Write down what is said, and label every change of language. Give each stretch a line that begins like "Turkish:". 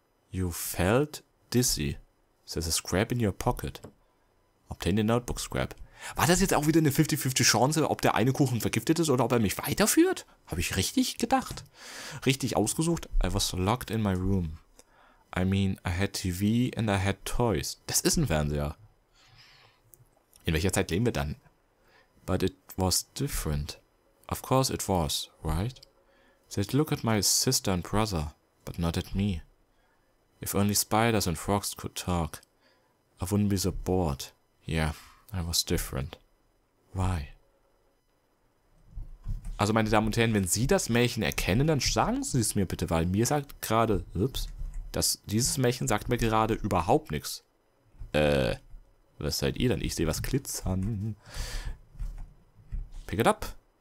English: You felt dizzy. There's a scrap in your pocket. Obtain the notebook scrap.
German: War das jetzt auch wieder eine 50-50 Chance, ob der eine Kuchen vergiftet ist oder ob er mich weiterführt? Habe ich richtig gedacht? Richtig ausgesucht?
English: I was locked in my room. I mean, I had TV and I had toys.
German: Das ist ein Fernseher. In welcher Zeit leben wir dann?
English: But it was different. Of course it was, right? They'd look at my sister and brother, but not at me. If only spiders and frogs could talk, I wouldn't be so bored. Yeah, I was different. Why?
German: Also meine Damen und Herren, wenn Sie das Märchen erkennen, dann sagen Sie es mir bitte, weil mir sagt gerade, ups, dass dieses Märchen sagt mir gerade überhaupt nichts. Was seid ihr denn? Ich sehe was glitzern.
English: Pick it up.